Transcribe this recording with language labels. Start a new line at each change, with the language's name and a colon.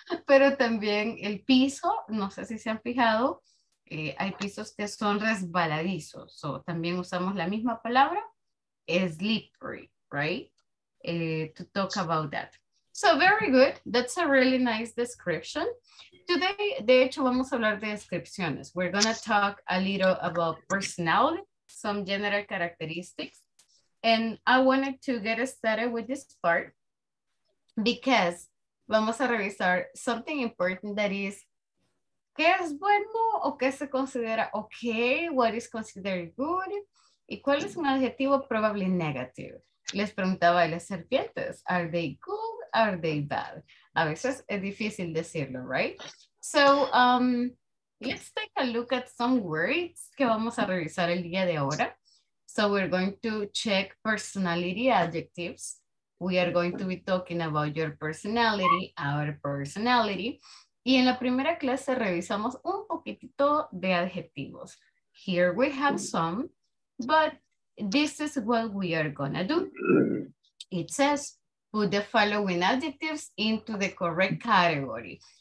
Spanish: Pero también el piso, no sé si se han fijado, hay pisos que son resbaladizos. So, también usamos la misma palabra, slippery, right?
English: To talk about that. So, very good. That's a really nice description.
Spanish: Today, de hecho, vamos a hablar de descripciones.
English: We're going to talk a little about personality, some general characteristics. And I wanted to get started with this part because
Spanish: vamos a revisar
English: something important that is,
Spanish: ¿qué es bueno o qué se considera okay?
English: What is considered good?
Spanish: ¿Y cuál es un adjetivo
English: probably negative?
Spanish: Les preguntaba a las serpientes,
English: are they good? Are they bad?
Spanish: A veces es difícil decirlo, right?
English: So let's take a look at some words
Spanish: que vamos a revisar el día de ahora.
English: So we're going to check personality adjectives. We are going to be talking about your personality, our personality.
Spanish: Y en la primera clase revisamos un poquitito de adjetivos.
English: Here we have some, but this is what we are gonna do. It says, put the following adjectives into the correct category.